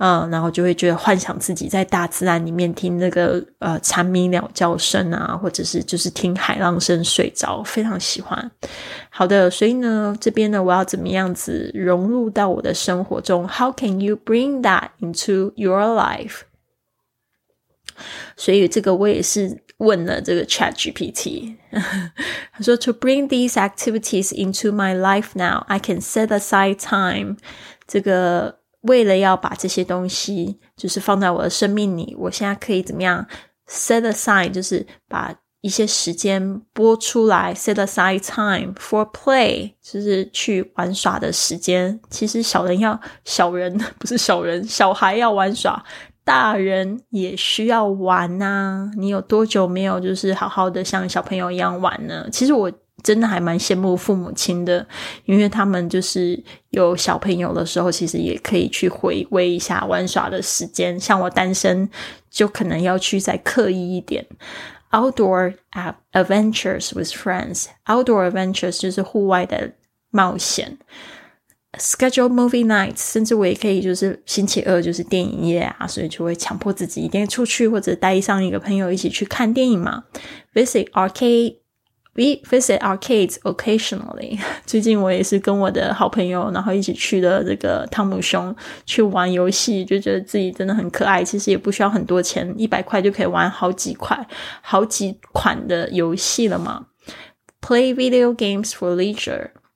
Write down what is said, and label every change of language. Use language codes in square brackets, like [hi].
[zh] 然后就会觉得幻想自己在大自然里面听那个蝉鸣鸟叫声啊，或者是就是听海浪声睡着，非常喜欢。好的，所以呢，这边呢，我要怎么样子融入到我的生活中 ？ How can you bring that into your life？所以这个我也是问了这个 ChatGPT， 他说 [en] ：“To bring these activities into my life now, I can set aside time。” [zh] 这个为了要把这些东西就是放在我的生命里，我现在可以怎么样 set aside， 就是把一些时间拨出来 [en] set aside time for play， [zh] 就是去玩耍的时间。其实小人要小人不是小人小孩要玩耍，大人也需要玩啊。你有多久没有就是好好的像小朋友一样玩呢？其实我真的还蛮羡慕父母亲的，因为他们就是有小朋友的时候其实也可以去回味一下玩耍的时间，像我单身就可能要去再刻意一点。 [en] Outdoor adventures with friends， Outdoor adventures [zh] 就是户外的冒险。 [en] Schedule movie nights， [zh] 甚至我也可以就是星期二就是电影夜啊，所以就会强迫自己一定出去或者带上一个朋友一起去看电影嘛。 [en] Visit arcadeWe visit arcades occasionally. [zh] 最近我也是跟我的好朋友然后一起去了这个汤姆熊去玩游戏，就觉得自己真的很可爱，其实也不需要很多钱，100块就可以玩好几款的游戏了嘛。 [en] Play video games for leisure.